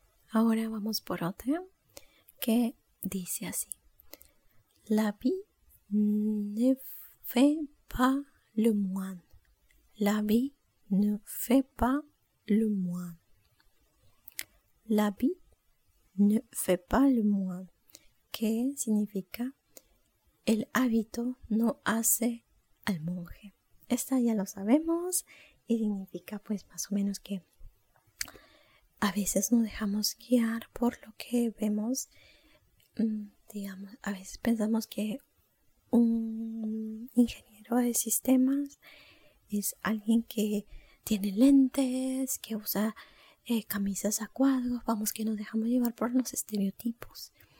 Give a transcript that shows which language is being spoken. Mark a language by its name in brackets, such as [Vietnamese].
[Spanish] Ahora vamos por otra que dice así. [French] La vie ne fait pas le moine. La vie ne fait pas le moine. La vie ne fait pas le moine. [Spanish] ¿Qué significa? El hábito no hace al monje. Esta ya lo sabemos y significa pues más o menos que a veces nos dejamos guiar por lo que vemos. Digamos, a veces pensamos que un ingeniero de sistemas es alguien que tiene lentes, que usa camisas a cuadros, vamos, que nos dejamos llevar por los estereotipos.